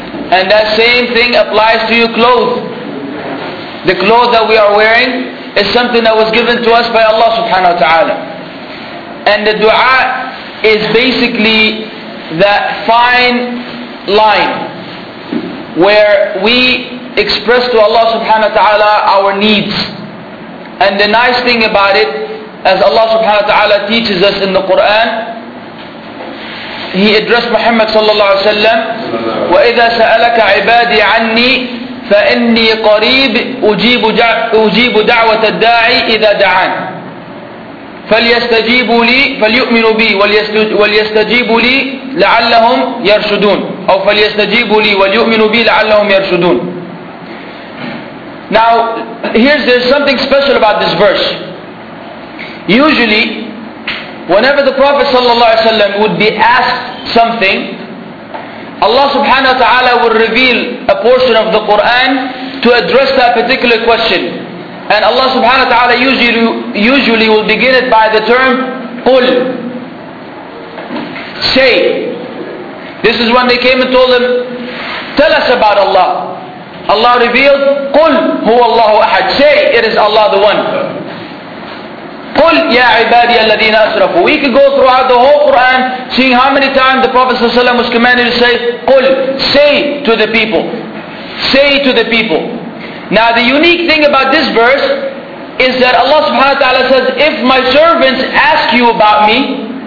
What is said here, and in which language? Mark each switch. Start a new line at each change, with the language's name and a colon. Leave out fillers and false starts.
English: And that same thing applies to your clothes. The clothes that we are wearing is something that was given to us by Allah subhanahu wa ta'ala. And the dua is basically that fine line where we express to Allah subhanahu wa ta'ala our needs.
Arabic: And the nice thing about it, as Allah subhanahu wa ta'ala teaches us in the Quran, He addressed Muhammad sallallahu alayhi wa sallam, وَإِذَا سَأَلَكَ عِبَادِي عَنِّي فَإِنِّي قَرِيبٌ أُجِيبُ دَعْوَةَ الدَّاعِ إِذَا دَعَانِ فَلْيَسْتَجِيبُوا لِي فَلْيُؤْمِنُوا بِي وَلْيَسْتَجِيبُوا لِي لَعَلَّهُمْ يَرْشُدُونَ أو فَلْيَسْتَجِيبُوا لِي وَلْيُؤْمِنُوا بِي لَعَلَّهُمْ يَرْشُدُونَ.
English: Now, there's something special about this verse. Usually, whenever the Prophet ﷺ would be asked something, Allah subhanahu wa ta'ala will reveal a portion of the Qur'an to address that particular question. And Allah subhanahu wa ta'ala usually will begin it by the term قُل. Say. This is when they came and told him, tell us about Allah.
Arabic: Allah revealed قُل هُوَ اللَّهُ أَحَد.
English: Say, it is Allah the One. قُلْ يَا عِبَادِيَ الَّذِينَ أَسْرَفُوا. We could go throughout the whole Qur'an seeing how many times the Prophet ﷺ was commanded to say, قُلْ, say to the people. Say to the people. Now the unique thing about this verse is that Allah subhanahu wa ta'ala says, if my servants ask you about me,